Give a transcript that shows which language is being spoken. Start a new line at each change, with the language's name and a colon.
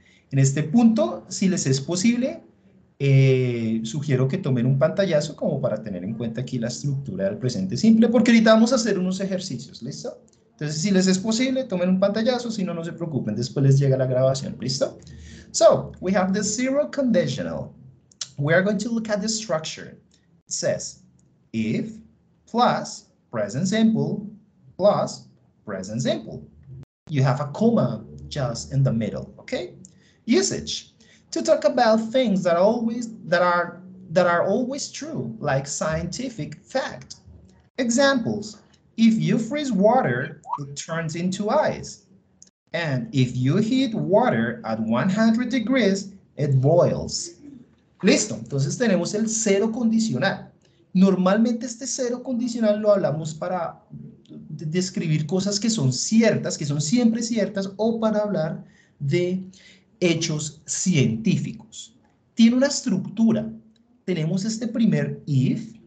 Spanish: En este punto, si les es posible, sugiero que tomen un pantallazo como para tener en cuenta aquí la estructura del presente simple, porque ahorita vamos a hacer unos ejercicios, ¿listo? Entonces, si les es posible, tomen un pantallazo, si no, no se preocupen, después les llega la grabación, ¿listo?
English: So, we have the zero conditional. We are going to look at the structure. It says, if plus present simple plus present simple. You have a comma just in the middle, okay? Usage. To talk about things that are always true, like scientific fact. Examples: if you freeze water, it turns into ice. And if you heat water at 100 degrees, it boils.
Spanish: Listo, entonces tenemos el cero condicional. Normalmente este cero condicional lo hablamos para describir cosas que son ciertas, que son siempre ciertas, o para hablar de hechos científicos. Tiene una estructura. Tenemos este primer if.